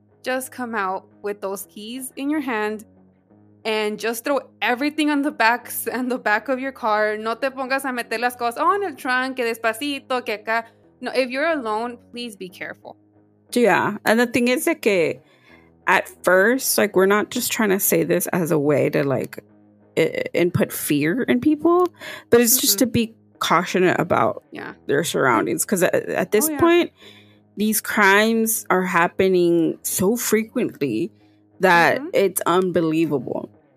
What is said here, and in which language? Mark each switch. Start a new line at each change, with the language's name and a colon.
English: Just come out with those keys in your hand and just throw everything on the backs and the back of your car.
Spanish: No te pongas a meter las cosas en el trunk, que despacito, que acá.
English: No, if you're alone, please be careful. Yeah, and the thing is that at first, like, we're not just trying to say this as a way to, like, input fear in people, but it's just to be cautionate about their surroundings, because at this point these crimes are happening so frequently that it's unbelievable.